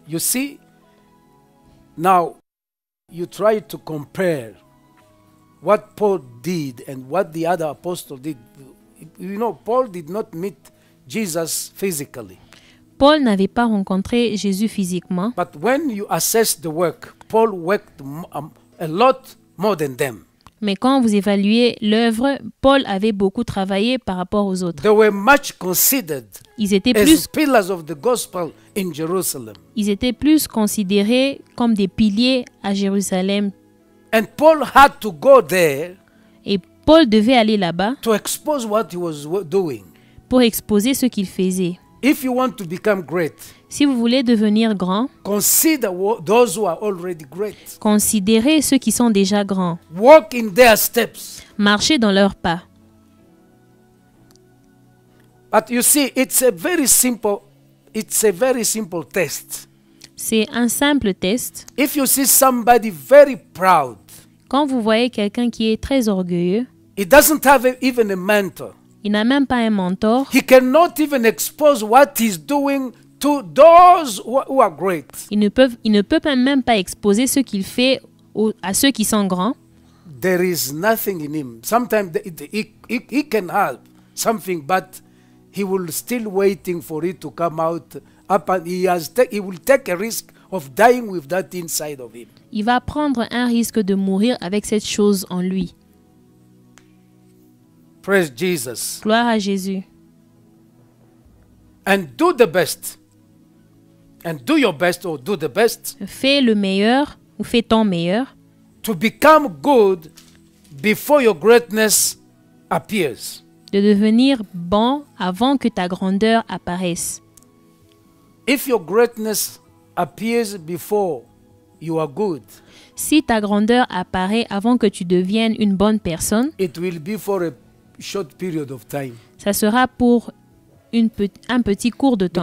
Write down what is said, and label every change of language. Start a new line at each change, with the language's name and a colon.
English: You see, now you try to compare what Paul did and what the other apostle did. You know, Paul did not meet Jesus physically.
French: Paul n'avait pas rencontré Jésus physiquement.
English: But when you assess the work, Paul worked a lot more than them.
French: Mais quand vous évaluez l'œuvre, Paul avait beaucoup travaillé par rapport aux autres.
English: They were much considered.
French: Ils étaient plus
English: as pillars of the gospel in Jerusalem.
French: Ils étaient plus considérés comme des piliers à Jérusalem.
English: And Paul had to go there.
French: Et Paul devait aller là-bas.
English: To expose what he was doing.
French: Pour exposer ce qu'il faisait.
English: If you want to become great,
French: si vous voulez devenir grand,
English: consider those who are already great.
French: Considérez ceux qui sont déjà grands.
English: Walk in their steps.
French: Marchez dans leurs pas.
English: But you see, it's a very simple test.
French: C'est un simple test.
English: If you see somebody very proud,
French: quand vous voyez quelqu'un qui est très orgueilleux,
English: he doesn't have even a mentor.
French: Il n'a même pas un mentor.
English: He cannot even expose what he's doing to those who are great.
French: Il ne peut même pas exposer ce qu'il fait à ceux qui sont grands.
English: There is nothing in him. Sometimes he can help something, but he will still waiting for it to come out. Up and he will take a risk of dying with that inside of him.
French: Il va prendre un risque de mourir avec cette chose en lui.
English: Praise Jesus.
French: Gloire à Jésus.
English: And do the best. And do your best or do the best.
French: Fais le meilleur ou fais ton meilleur.
English: To become good before your greatness appears.
French: De devenir bon avant que ta grandeur apparaisse.
English: If your greatness appears before you are good.
French: Si ta grandeur apparaît avant que tu deviennes une bonne personne.
English: It will be for a short period of time.
French: Ça sera pour un petit cours de temps.